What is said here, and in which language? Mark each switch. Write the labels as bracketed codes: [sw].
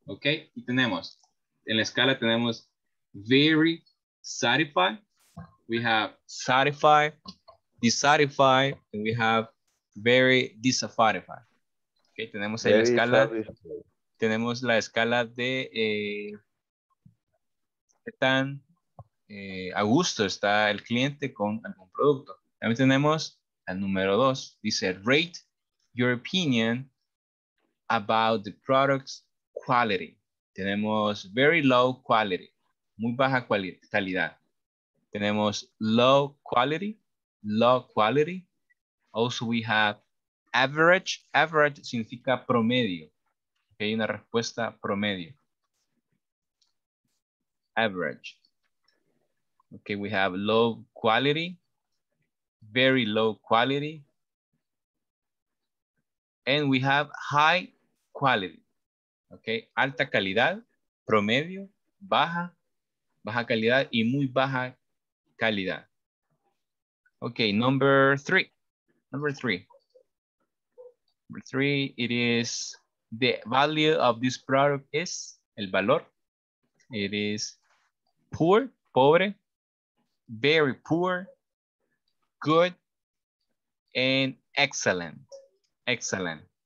[en] Okay, [es] y tenemos, en la escala tenemos [en] very satisfied, we have satisfied, dissatisfied, and we have very dissatisfied. [es] Okay, tenemos en la escala. Tenemos la escala de qué tan a gusto está el cliente con algún producto. También tenemos el número dos. [en] Dice, rate your opinion about the product's quality. [es] Tenemos [en] very low quality, [es] muy baja calidad. Tenemos [en] low quality, low quality. Also we have average. Average [es] significa promedio. Hay una respuesta promedio. [en] Average. Okay, we have low quality, very low quality, and we have high quality. [es] Okay, alta calidad, promedio, baja, baja calidad y muy baja calidad. [en] Okay, number three. Number three. Number three, it is the value of this product is, [es] el valor, [en] it is poor, [es] pobre, [en] very poor, good, and excellent, excellent.